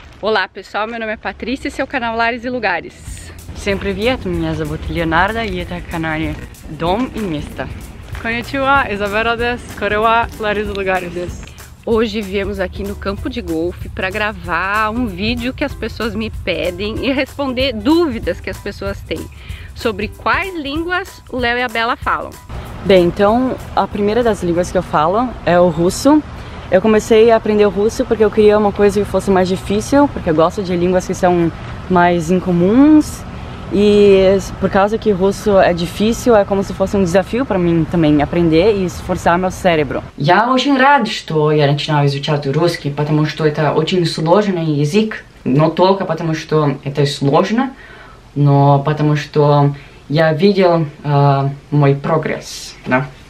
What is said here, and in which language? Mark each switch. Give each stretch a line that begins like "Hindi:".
Portuguese: Olá pessoal, meu nome é Patrícia e esse é o canal Lares e Lugares.
Russian: Всем привет, меня зовут Леонардо и это канал Дом и Место.
Japanese: Konnichiwa, Isabela des, Korewa, Lares e Lugares des.
Portuguese: Hoje viemos aqui no campo de golfe para gravar um vídeo que as pessoas me pedem e responder dúvidas que as pessoas têm sobre quais línguas o Léo e a Bela falam. Bem, então a primeira das línguas que eu falo é o russo. Eu comecei a aprender o russo porque eu queria uma coisa que fosse mais difícil, porque eu gosto de línguas que são mais incomuns. E por causa que o russo é difícil, é como se fosse um desafio para mim também aprender e esforçar meu cérebro.
Russian: Я очень рад, что я начинаю изучать русский, потому что это очень сложный язык. Не только потому что это сложно, но потому что я видел мой прогресс. Да?